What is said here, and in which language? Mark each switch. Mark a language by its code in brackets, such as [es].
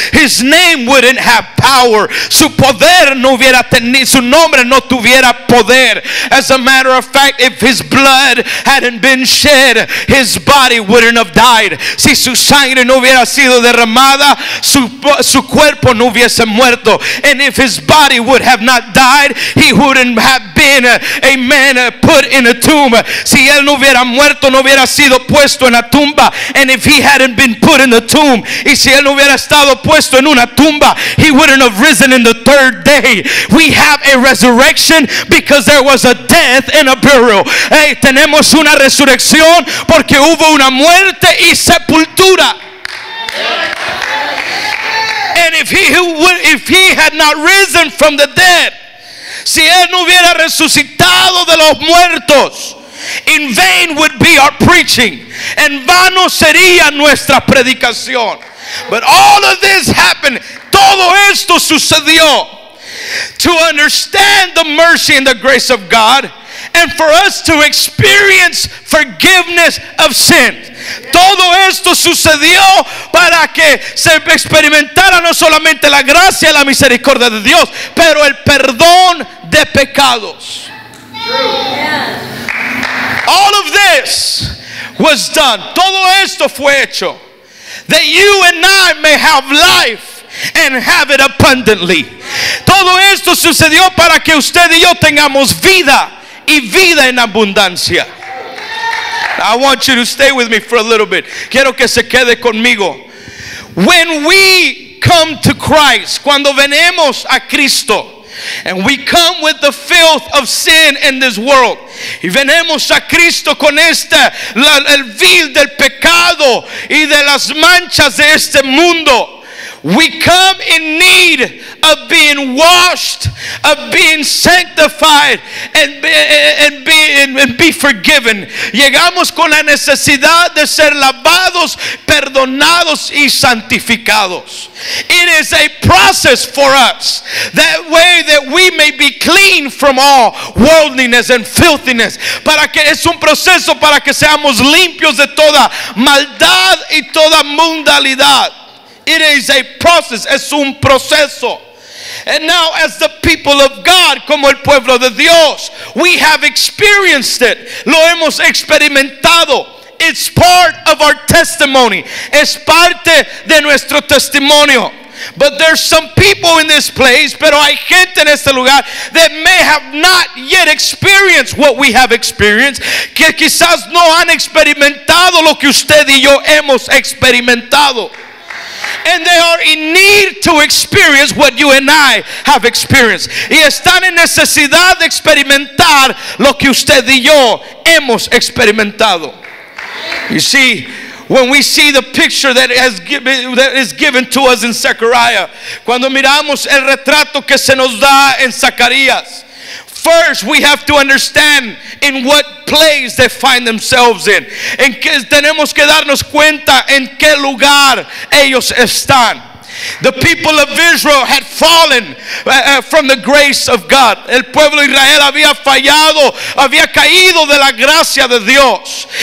[en] His name wouldn't have power. [es] Su poder no hubiera tenido, su nombre no tuviera poder. [en] As a matter of fact, if his blood hadn't been shed, his body wouldn't have died. [es] Si su sangre no hubiera sido derramada, su cuerpo no hubiese muerto. [en] And if his body would have not died, he wouldn't have been put in a tomb. [es] Si él no hubiera muerto, no hubiera sido puesto en la tumba. [en] And if he hadn't been put in the tomb, [es] y si él no hubiera estado puesto en una tumba, [en] he wouldn't have risen in the third day. We have a resurrection because there was a death and a burial. [es] Hey, tenemos una resurrección porque hubo una muerte y sepultura. [en] And if he had not risen from the dead, [es] si él no hubiera resucitado de los muertos, [en] in vain would be our preaching. [es] En vano sería nuestra predicación. [en] But all of this happened. [es] Todo esto sucedió. [en] To understand the mercy and the grace of God, and for us to experience forgiveness of sins. [es] Todo esto sucedió para que se experimentara no solamente la gracia y la misericordia de Dios, pero el perdón de pecados. [en] All of this was done. [es] Todo esto fue hecho. [en] That you and I may have life and have it abundantly. [es] Todo esto sucedió para que usted y yo tengamos vida y vida en abundancia. [en] I want you to stay with me for a little bit. [es] Quiero que se quede conmigo. [en] When we come to Christ, [es] cuando venimos a Cristo, [en] and we come with the filth of sin in this world, [es] y venimos a Cristo con esta, el vil del pecado y de las manchas de este mundo, [en] we come in need of being washed, of being sanctified, and be forgiven. [es] Llegamos con la necesidad de ser lavados, perdonados y santificados. [en] It is a process for us, that way that we may be clean from all worldliness and filthiness. [es] Para que es un proceso para que seamos limpios de toda maldad y toda mundanidad. [en] It is a process, [es] es un proceso. [en] And now as the people of God, [es] como el pueblo de Dios, [en] we have experienced it. [es] Lo hemos experimentado. [en] It's part of our testimony. [es] Es parte de nuestro testimonio. [en] But there's some people in this place, [es] pero hay gente en este lugar, [en] that may have not yet experienced what we have experienced. [es] Que quizás no han experimentado lo que usted y yo hemos experimentado. [en] And they are in need to experience what you and I have experienced. [es] Y están en necesidad de experimentar lo que usted y yo hemos experimentado. [en] You see, when we see the picture that is given to us in Zechariah, [es] cuando miramos el retrato que se nos da en Zacarías, [en] first we have to understand in what place they find themselves in. [es] En que tenemos que darnos cuenta en qué lugar ellos están. [en] The people of Israel had fallen from the grace of God. [es] El pueblo de Israel había fallado, había caído de la gracia de Dios.